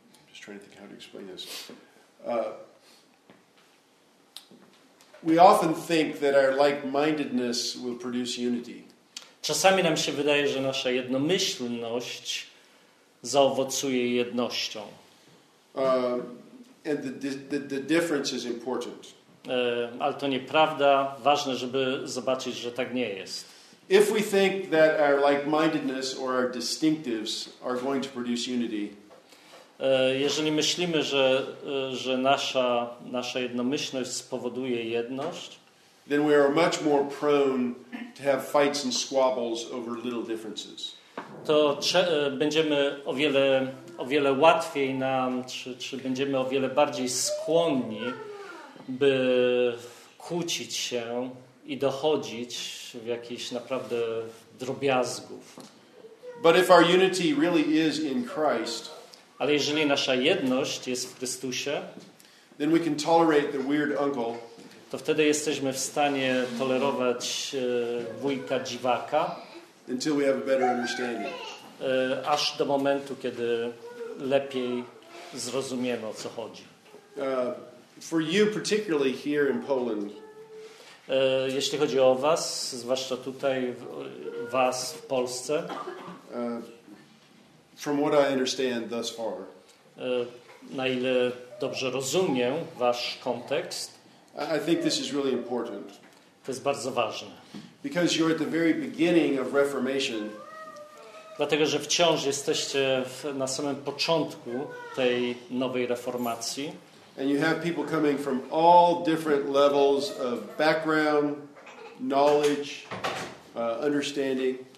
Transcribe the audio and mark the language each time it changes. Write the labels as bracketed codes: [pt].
[en] Just trying to think how to explain this. We often think that our like-mindedness will produce unity. [pl] Czasami nam się wydaje, że nasza jednomyślność zaowocuje jednością. [en] And the difference is important. [pl] Ale to nieprawda. Ważne, żeby zobaczyć, że tak nie jest. [en] If we think that our like-mindedness or our distinctives are going to produce unity. [pl] Jeżeli myślimy, że nasza jednomyślność spowoduje jedność, [en] then we are much more prone to have fights and squabbles over little differences. [pl] To będziemy o wiele łatwiej nam, czy będziemy o wiele bardziej skłonni, by kłócić się i dochodzić w jakiś naprawdę drobiazgów. [en] But if our unity really is in Christ, [pl] ale jeżeli nasza jedność jest w Chrystusie, [en] then we can tolerate the weird uncle, [pl] to wtedy jesteśmy w stanie tolerować wujka dziwaka, [en] until we have a better understanding. [pl] Aż do momentu, kiedy lepiej zrozumiemy, o co chodzi. [en] For you particularly here in Poland, [pl] jeśli chodzi o was, zwłaszcza tutaj, was w Polsce, [en] from what I understand thus far, [pl] na ile dobrze rozumiem wasz kontekst, [en] I think this is really important. [pl] To jest bardzo ważne. [en] Because you're at the very beginning of Reformation. [pl] Dlatego, że wciąż jesteście na samym początku tej nowej reformacji. [en] And you have people coming from all different levels of background, knowledge, understanding.